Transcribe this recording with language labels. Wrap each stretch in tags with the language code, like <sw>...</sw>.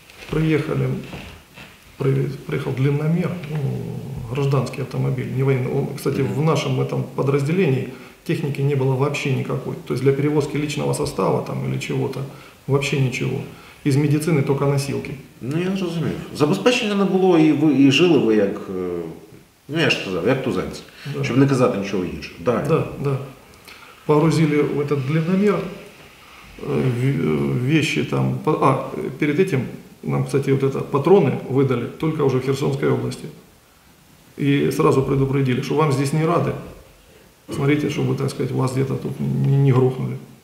<ru>Приехали, приехал длинномер, ну, гражданский автомобиль, не военный. Он, кстати, в нашем этом подразделении техники не было вообще никакой. То есть для перевозки личного состава там или чего-то вообще ничего. Из медицины только носилки. Ну, я разумею.</ru> <uk>Забезпечення не було, і жили ви як, ну, я ж сказав, як тузенці, да. Щоб не казати нічого іншого. Да, да, да.</uk> <ru>Погрузили в этот длинномер, вещи там, перед этим нам, кстати, вот это, патроны выдали только уже в Херсонской области. И сразу предупредили, что вам здесь не рады. Смотрите, чтобы, так сказать, вас где-то тут не грохнули.</ru>